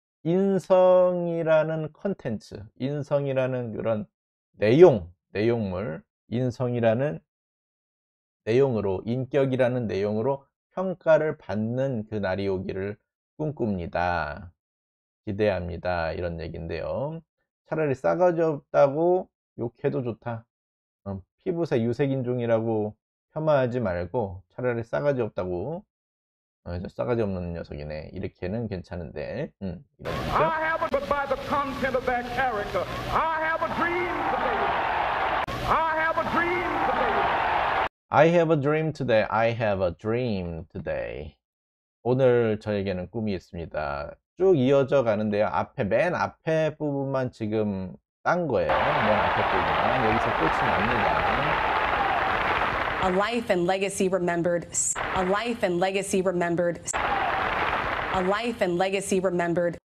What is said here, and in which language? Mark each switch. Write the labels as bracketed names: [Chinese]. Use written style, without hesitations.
[Korean] 인성이라는 컨텐츠, 인성이라는 그런 내용, 내용물, 인성이라는 내용으로, 인격이라는 내용으로 평가를 받는 그 날이 오기를 꿈꿉니다. 기대합니다. 이런 얘기인데요. 차라리 싸가지 없다고 욕해도 좋다. 피부색 유색인종이라고 폄하하지 말고 차라리 싸가지 없다고 저 싸가지 없는 녀석이네. 이렇게는 괜찮은데. [English] I have a but by the content of their character. I have a dream today. I have a dream today. I have a dream today. I have a dream today. [Korean] 오늘 저에게는 꿈이 있습니다. 쭉 이어져 가는데요. 앞에 맨 앞에 부분만 지금 딴 거예요. 맨 앞에 부분만 여기서 끝이 납니다. [English] A life and legacy remembered. A life and legacy remembered. A life and legacy remembered.